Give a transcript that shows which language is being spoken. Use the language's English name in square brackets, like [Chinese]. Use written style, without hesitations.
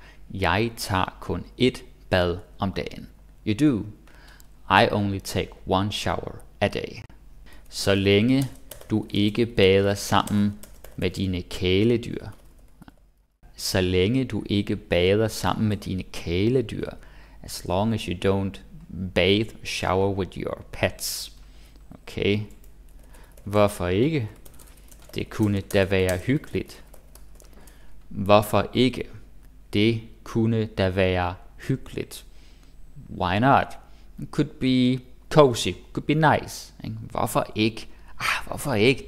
[Danish] Jeg tager kun 1 bad om dagen. [English] You do. I only take 1 shower a day. [Danish] Så længe du ikke bader sammen med dine kæledyr. Så længe du ikke bader sammen med dine kæledyr. [English] As long as you don't bathe or shower with your pets. [Danish] Okay. Hvorfor ikke? Det kunne da være hyggeligt. Hvorfor ikke? Det kunne da være hyggeligt. [English] Why not? It could be cozy. It could be nice. [Danish] Hvorfor ikke? Ah, hvorfor ikke?